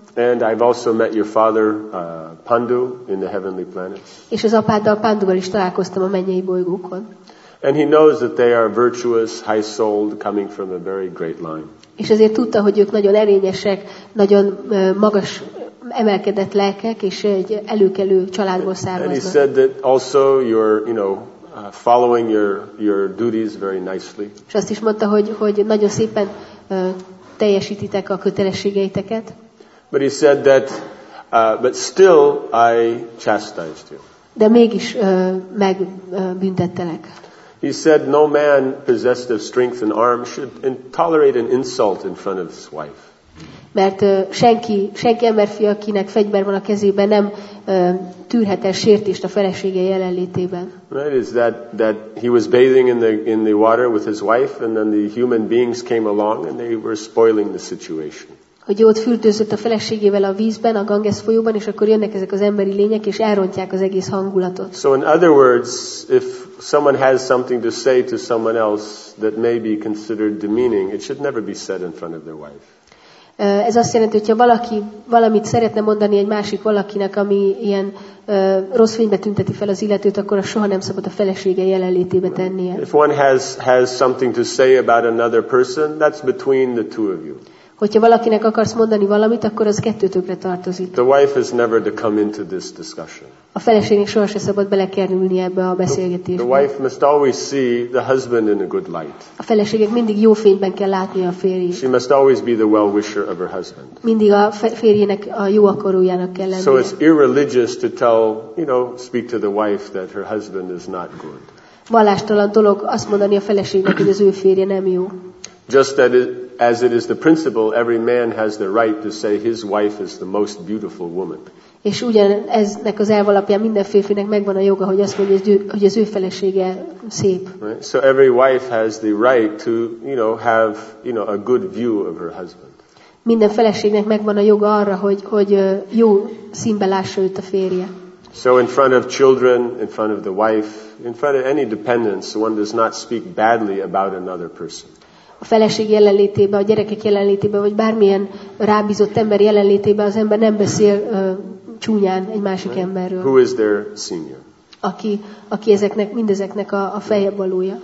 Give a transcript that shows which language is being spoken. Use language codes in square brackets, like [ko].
[en] And I've also met your father Pandu in the heavenly planets. [hu] És az apáddal Pandugal is találkoztam a mennyei bolygókon. [en] And he knows that they are virtuous, high-souled, coming from a very great line. [hu] És ezért tudta, hogy ők nagyon erényesek, nagyon magas emelkedett lelkek, és egy előkelő családból származnak. [en] And he said that also you're, you know, following your duties very nicely. [hu] És azt is mondta, hogy nagyon szépen teljesítitek a kötelességeiteket. [en] But he said that, but still I chastised you. [hu] De mégis meg büntettelek. [en] He said no man possessed of strength and arm should tolerate an insult in front of his wife. [hu] Mert senki emberfia, akinek fegyver van a kezében, nem tűrhet el sértést a felesége jelenlétében. [en] Right, is that he was bathing in the water with his wife, and then the human beings came along and they were spoiling the situation. [hu] Hogy ott fürdőzött a feleségével a vízben, a Ganges folyóban, és akkor jönnek ezek az emberi lények, és elrontják az egész hangulatot. [en] So in other words, if someone has something to say to someone else that may be considered demeaning, it should never be said in front of their wife. [hu] Ez azt jelenti, hogy ha valaki valamit szeretne mondani egy másik valakinek, ami ilyen rossz fénybe tünteti fel az illetőt, akkor az soha nem szabad a felesége jelenlétébe tennie. [en] If one has something to say about another person, that's between the two of you. [hu] Hogyha valakinek akarsz mondani valamit, akkor az kettőtökre tartozik. [en] The wife is never to come into this discussion. [hu] A feleségnek soha se szabad belekerülni ebbe a beszélgetésbe. [en] The wife must always see the husband in a good light. [hu] A feleségek mindig jó fényben kell látnia a férjét. [en] She must always be the well-wisher of her husband. [hu] Mindig a férjének a jó akarójának kell lennie. [en] So it's irreligious to tell, you know, speak to the wife that her husband is not good. [hu] Vallástalan dolog azt mondani a feleségnek, hogy az ő férje nem jó. [en] Just that as it is the principle, every man has the right to say his wife is the most beautiful woman. [hu] És ugyaneznek az elv alapján minden férfinek megvan a joga, hogy azt mondja, hogy az ő felesége szép. [en] Right? So every wife has the right to, you know, have, you know, a good view of her husband. [hu] Minden feleségnek megvan a joga arra, hogy jó színbe lássa őt a férje. [en] So in front of children, in front of the wife, in front of any dependents, one does not speak badly about another person. [hu] A feleség jelenlétében, a gyerekek jelenlétében, vagy bármilyen rábízott ember jelenlétében az ember nem beszél csúnyán egy másik emberről. [en] Who is their senior? [hu] Aki ezeknek, mindezeknek a feljebb valója.